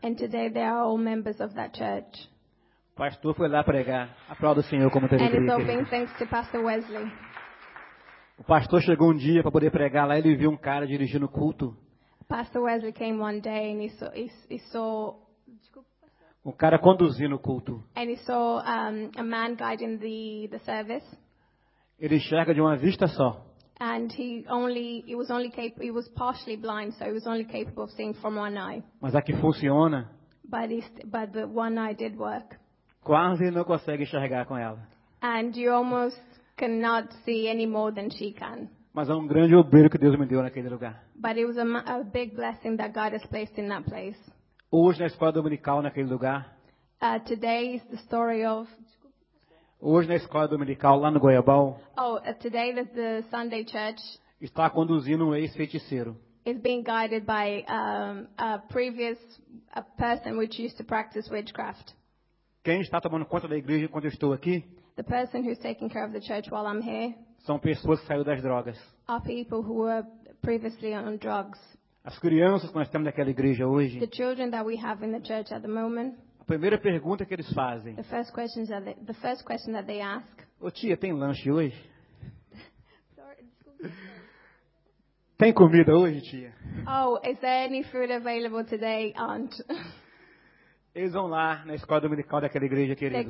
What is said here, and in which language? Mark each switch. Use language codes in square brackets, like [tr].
[en] And today they are all members of that church. [pt] O pastor foi lá pregar. Aplauda o Senhor como teve. [en] And it's all been thanks to Pastor Wesley. [pt] O pastor chegou um dia para poder pregar lá, ele viu um cara dirigindo o culto. [en] Pastor Wesley came one day and he saw [pt] um cara conduzindo o culto. [en] And he saw a man guiding the service. [pt] Ele enxerga de uma vista só. [en] And he was partially blind, so he was only capable of seeing from one eye. [pt] Mas aqui funciona. [en] But the one eye did work. [pt] Quase não consegue enxergar com ela. [en] And you almost cannot see any more than she can. [pt] Mas é um grande obreiro que Deus me deu naquele lugar. [en] But it was a big blessing that God has placed in that place. [pt] Hoje na escola dominical naquele lugar. [en] Today is the story of. [pt] Hoje na escola dominical lá no Goiabão. [en] Oh, today that the Sunday church [pt] está conduzindo um ex-feiticeiro. [en] Is being guided by a previous person which used to practice witchcraft. [pt] Quem está tomando conta da igreja enquanto eu estou aqui? [en] The person who's taking care of the church while I'm here. [pt] São pessoas que saíram das drogas. [en] Are people who were previously on drugs. [pt] As crianças que nós temos naquela igreja hoje. [en] The children that we have in the church at the moment. [pt] A primeira pergunta que eles fazem. [en] The first question that they ask. [pt] Ô tia, tem lanche hoje? [en] Sorry, [pt] tem comida hoje, tia? [en] Oh, is there any food available today, aunt? [pt] Eles vão lá na escola dominical daquela igreja, queridos.